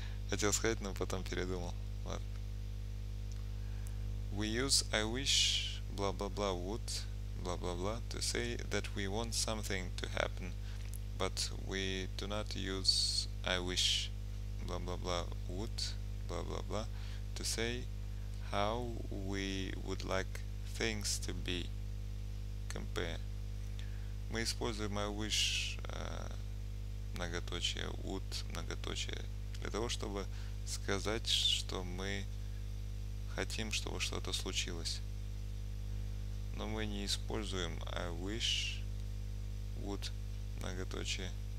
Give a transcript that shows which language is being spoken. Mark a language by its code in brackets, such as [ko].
[ru] Хотел сказать, но потом передумал. [en] We use I wish blah blah blah would blah blah blah to say that we want something to happen, but we do not use I wish blah blah blah would blah blah blah to say how we would like things to be. Compare. [ru] Мы используем I wish многоточие would многоточие для того, чтобы сказать, что мы хотим, чтобы что-то случилось. Но мы не используем I wish would многоточие.